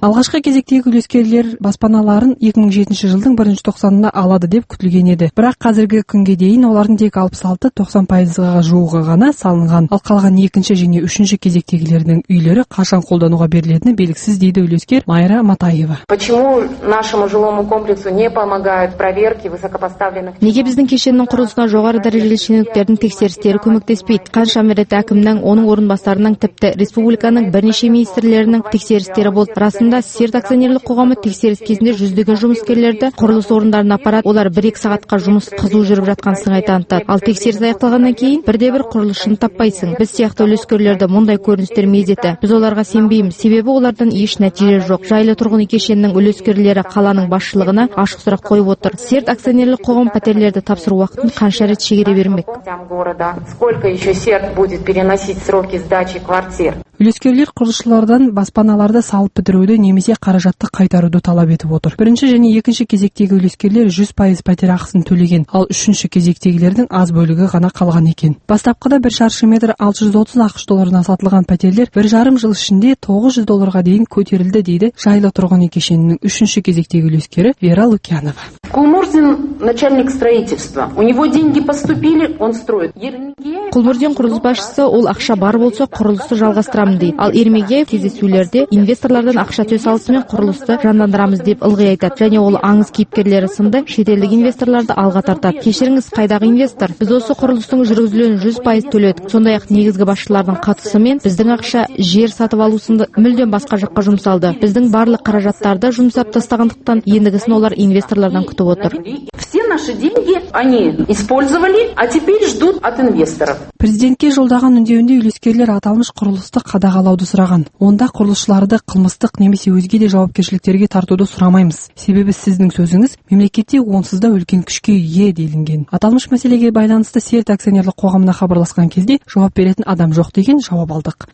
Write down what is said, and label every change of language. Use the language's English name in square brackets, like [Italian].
[Kazakh] Алғашқы кезектегі үлескерлер баспаналарын 2007 жылдың 1 тоқсанында алады деп күтілген еді. Бірақ қазіргі күнге дейін олардың тек 66-90%-ға жуығы ғана салынған. Ал қалған 2-ші және 3-ші кезектегілердің үйлері қашан қолдануға берілетіні белгісіз дейді үлескер Майра Матаева. [Russian] Почему нашему жилому комплексу не помогают проверки высокопоставленных? [Kazakh] Неге біздің кешеннің құрылысына жоғары дәрежелі шенеуніктердің тексерістері көмектеспейді? Қанша мәрет әкімнің, оның орынбасарының, тіпті республиканың бірнеше министрлерінің тексерістері болды. Расында серт акционерлік қоғамы тексеріс кезінде жүздеген жұмыскерлерді құрылыс орындарына апарады. Олар 1-2 сағатқа жұмыс қызу жүріп жатқан сыңай танытады. Ал тексеріс аяқталғаннан кейін бірде бір құрылысшыны таппайсың. Біз сияқты үлескерлерді мұндай көріністер мезеті. Біз оларға сенбейміз, себебі олардан еш нәтиже жоқ. Жайлы тұрғын үй кешенінің үлескерлері қаланың басшылығына ашық сұрақ қойып отыр. Серт акционерлік қоғам пәтерлерді тапсыру уақытын қанша рет шегере [Russian] Сколько еще серт будет переносить сроки сдачи квартир? [Kazakh] Үлескерлер құрылысшылардан баспаналарды салып бітіруді немесе қаражатты қайтаруды талап етіп отыр. Бірінші және екінші кезектегі үлескерлер 100% пәтер ақысын төлеген, ал үшінші кезектегілердің аз бөлігі ғана қалған екен. Бастапқыда 1 шаршы метр 630 ақш долларына сатылған пәтерлер 1,5 жыл ішінде 900 долларға дейін көтерілді дейді жайлы тұрғын үй кешенінің үшінші кезектегі үлескері Вера Лукьянова. [Russian] Кумурзин начальник строительства. У него деньги поступили, он строит. [Kazakh] Құлмұрден құрылыс басшысы ол ақша бар болса құрылысты жалғастырамын дейді. Ал Ермегияев кездесулерде инвесторлардан ақша төс алысымен құрылысты жандандырамыз деп ылғи айтады. Және ол аңыз кейіпкерлері сынды шетелдік инвесторларды алға тартады. Кешіріңіз, қайдағы инвестор? Біз осы құрылыстың жүргізілуін 100% төледік. Сондай-ақ негізгі басшылардың қатысымен біздің ақша жер сатып алу сынды мүлдем басқа жаққа жұмсалды. Біздің барлық қаражаттарды жұмсап тастағандықтан ендігісін олар инвесторлардан күтіп отыр. [Russian] Наши деньги они использовали, а теперь ждут от инвесторов. [Kazakh] Президентке жолдаған үндеуінде үлескерлер аталмыш құрылысты қадағалауды сұраған. Онда құрылысшыларды қылмыстық немесе өзге де жауапкершіліктерге тартуды сұрамаймыз. Себебі сіздің сөзіңіз мемлекетте онсыз да үлкен күшке ие делінген. Аталмыш мәселеге байланысты серт акционерлік қоғамына хабарласқан кезде жауап беретін адам жоқ деген жауап алдық.